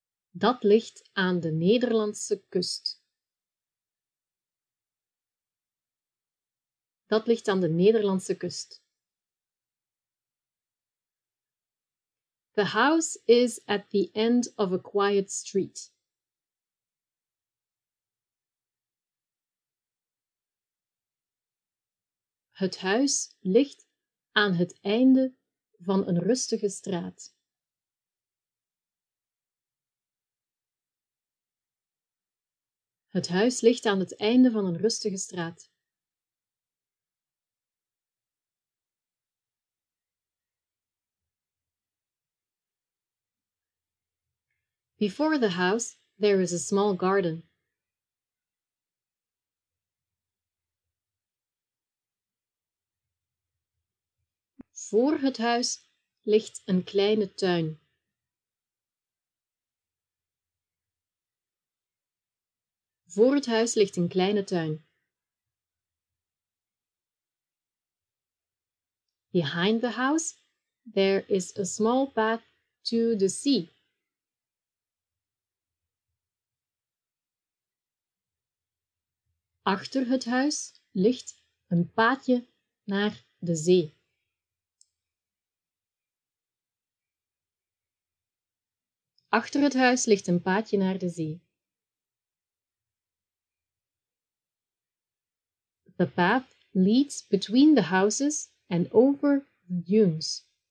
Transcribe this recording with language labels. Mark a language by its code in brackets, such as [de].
[nl] Dat ligt aan de Nederlandse kust. Dat ligt aan de Nederlandse kust. [en] The house is at the end of a quiet street. [nl] Het huis ligt aan het einde van een rustige straat. Het huis ligt aan het einde van een rustige straat. [en] Before the house, there is a small garden. [nl] voor het huis ligt een kleine tuin. Voor het huis ligt een kleine tuin. [en] Behind the house, there is a small path to the sea. [nl] Achter het huis ligt een paadje naar de zee. Achter het huis ligt een paadje naar de zee. [en] The path leads between the houses and over the dunes.